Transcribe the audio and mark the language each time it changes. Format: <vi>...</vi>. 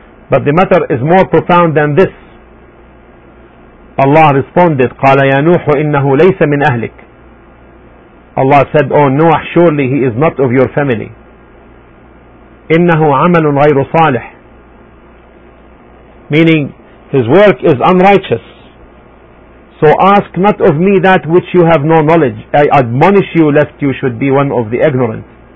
<en>But the matter is more profound than this. Allah responded,</en> <ar>قَالَ يَا نُوحُ إِنَّهُ لَيْسَ مِنْ أَهْلِكَ.</ar> <en>Allah said, O Nuh, surely he is not of your family.</en> <ar>إِنَّهُ عَمَلٌ غَيْرُ صَالِحٌ,</ar> <en>meaning his work is unrighteous. So ask not of me that which you have no knowledge. I admonish you lest you should be one of the ignorant.</en>